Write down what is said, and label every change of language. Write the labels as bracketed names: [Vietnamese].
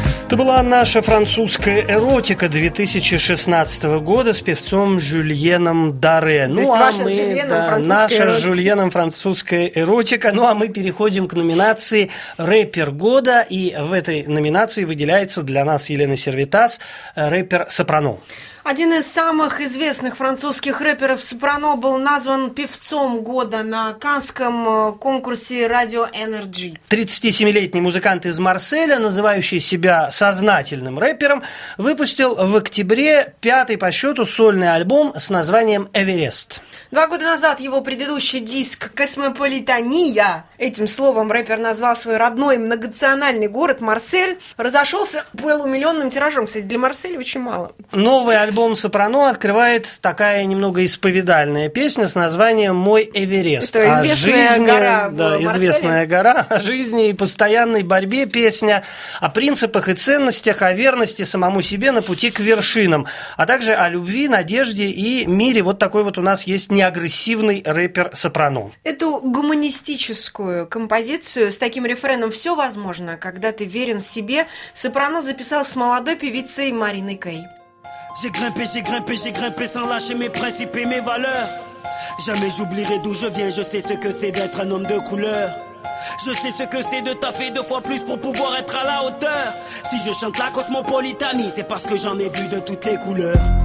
[Ukrainian] Це була наша французька еротика 2016 года з певцом Жюльєном Даре. Наша з Жюльєном французька еротика. Ну, а ми переходимо к номінації «Рэпер года». І в цій номінації виділяється для нас Єлена Сервітас, рэпер «Сопрано». [Russian] Один из самых известных французских рэперов Сопрано был назван певцом года на Каннском конкурсе Radio Energy. 37-летний музыкант из Марселя, называющий себя сознательным рэпером, выпустил в октябре 5-й по счету сольный альбом с названием «Эверест». 2 года назад его предыдущий диск «Космополитания», этим словом рэпер назвал свой родной многонациональный город Марсель, разошелся полумиллионным тиражом. Кстати, для Марселя очень мало. Новый альбом «Сопрано» открывает такая немного исповедальная песня с названием «Мой Эверест». Это известная, жизни, гора, да, известная гора о жизни и постоянной борьбе песня, о принципах и ценностях, о верности самому себе на пути к вершинам, а также о любви, надежде и мире. Вот такой вот у нас есть неагрессивный рэпер Сопрано. Эту гуманистическую композицию с таким рефреном «Все возможно, когда ты верен себе» Сопрано записал с молодой певицей Мариной Кей. [French] J'ai grimpé sans lâcher mes principes et mes valeurs. Jamais j'oublierai d'où je viens, je sais ce que c'est d'être un homme de couleur. Je sais ce que c'est de taffer deux fois plus pour pouvoir être à la hauteur. Si je chante la cosmopolitanie, c'est parce que j'en ai vu de toutes les couleurs.